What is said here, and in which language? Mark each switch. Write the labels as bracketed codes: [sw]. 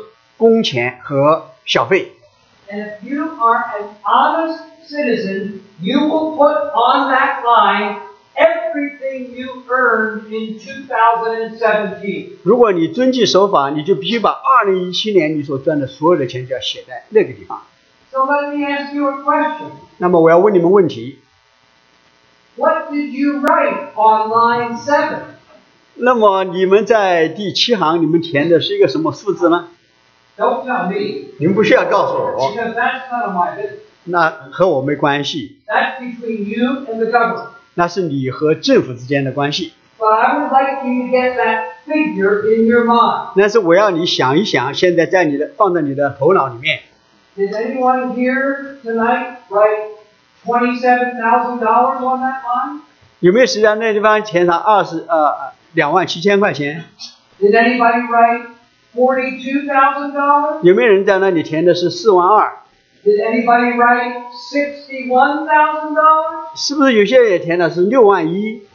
[zh] 在那里就说了说你所赚的所有的工资、工钱和小费。 [en] And if you are an honest citizen, you will put on that line everything you earned in 2017. [zh] 如果你遵纪守法，你就必须把2017年你所赚的所有的钱就要写在那个地方。 [en] So let me ask you a question. [zh] 那么我要问你们问题。 [en] What did you write on line 7? [zh] 那么你们在第7行你们填的是一个什么数字呢？ [en] Don't tell me. [zh] 您不需要告诉我。 [en] Because that's none of my business. [zh] 那和我没关系。 [en] That's between you and the government. [zh] 那是你和政府之间的关系。 [en] But I would like you to get that figure in your mind. [zh] 那是我要你想一想，现在在你的放在你的头脑里面。 [en] Did anyone here tonight write $27,000 on that line? [zh] 有没有谁在那地方填上27,000块钱？ [en] Did anybody write $42,000? [zh] 有没有人在那里填的是42,000？ [en] Did anybody write $61,000? [zh] 是不是有些人也填的是61,000？